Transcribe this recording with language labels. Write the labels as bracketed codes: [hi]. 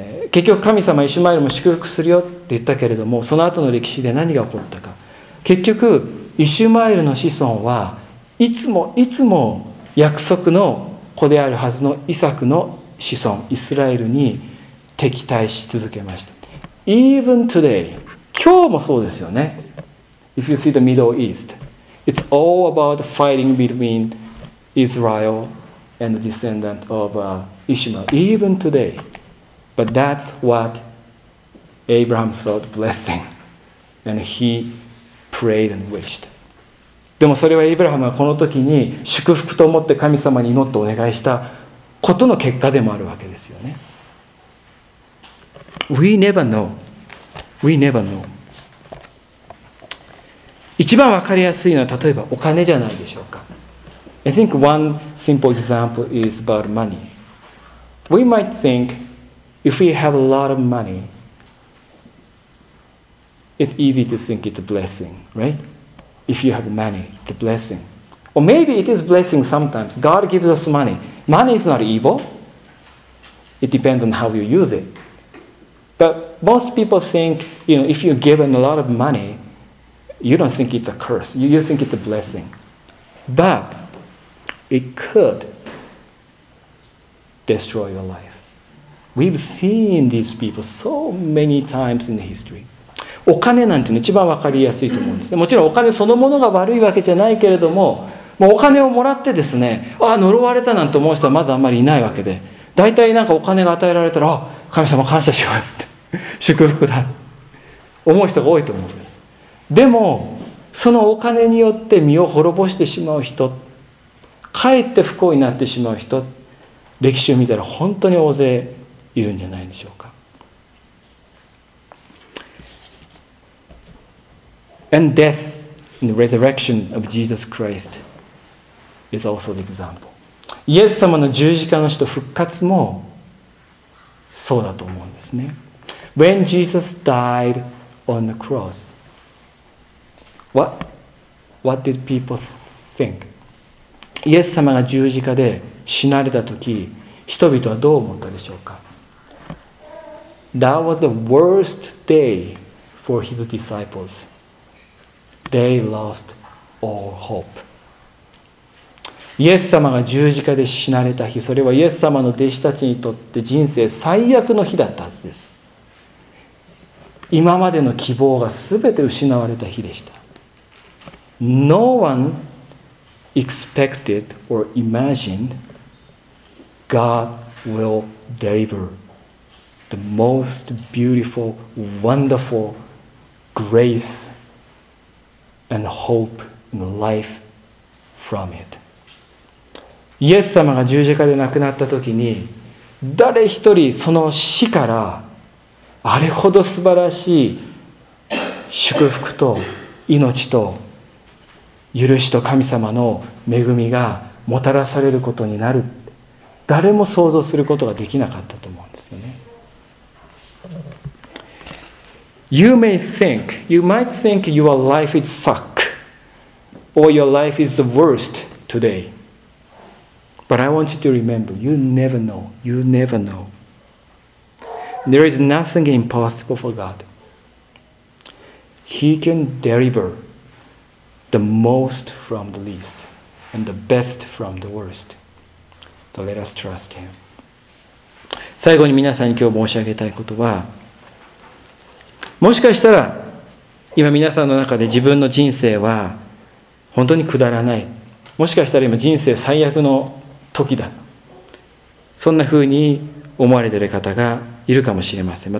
[ja] 結局神様イシュマエルも祝福するよって言ったけれども、その後の歴史で何が起こったか。結局イシュマエルの子孫はいつもいつも約束の子であるはずのイサクの子孫イスラエルに敵対し続けました。 [en] Even today [ja] 今日もそうですよね。 [en] If you see the Middle East, it's all about fighting between Israel and the descendant of Ishmael. Even today. But that's what Abraham thought blessing. And he prayed and wished. [ja] でもそれはエイブラハムはこの時に祝福と思って神様に祈ってお願いしたことの結果でもあるわけですよね。 [en] We never know. We never know. [ja] 一番わかりやすいのは例えばお金じゃないでしょうか。 [en] I think one simple example is about money. We might think if we have a lot of money, it's easy to think it's a blessing, right? If you have money, it's a blessing. Or maybe it is a blessing sometimes. God gives us money. Money is not evil. It depends on how you use it. But most people think, you know, if you're given a lot of money, you don't think it's a curse. You think it's a blessing. But it could destroy your life. We've seen these people so many times in history. [ja] お金なんてね、一番わかりやすいと思うんですね。もちろんお金そのものが悪いわけじゃないけれども、もうお金をもらってですね、ああ呪われたなんて思う人はまずあんまりいないわけで、大体なんかお金が与えられたら、あ、神様感謝しますって祝福だ思う人が多いと思うんです。でもそのお金によって身を滅ぼしてしまう人、かえって不幸になってしまう人、歴史を見たら本当に大勢いるんじゃないでしょうか。 [en] And death and the resurrection of Jesus Christ is also the example. [ja] イエス様の十字架の死と復活もそうだと思うんですね。 [en] When Jesus died on the cross, what did people think? [ja] イエス様が十字架で死なれた時、人々はどう思ったでしょうか? [en] That was the worst day for his disciples. They lost all hope. [ja] イエス様が十字架で死なれた日、それはイエス様の弟子たちにとって人生最悪の日だったはずです。今までの希望がすべて失われた日でした。 [en] No one expected or imagined God will deliver the most beautiful, wonderful grace. And hope and life from it. [ja] イエス様が十字架で亡くなった時に、誰一人その死からあれほど素晴らしい祝福と命と許しと神様の恵みがもたらされることになる、誰も想像することができなかったと思うんですよね。 [en] You might think your life is suck or your life is the worst today. But I want you to remember, you never know. There is nothing impossible for God. He can deliver the most from the least and the best from the worst. So let us trust Him. [ja] 最後に皆さんに今日申し上げたいことは、もしかしたら今皆さんの中で自分の人生は本当にくだらない、もしかしたら今人生最悪の時だ、そんなふうに思われている方がいるかもしれません。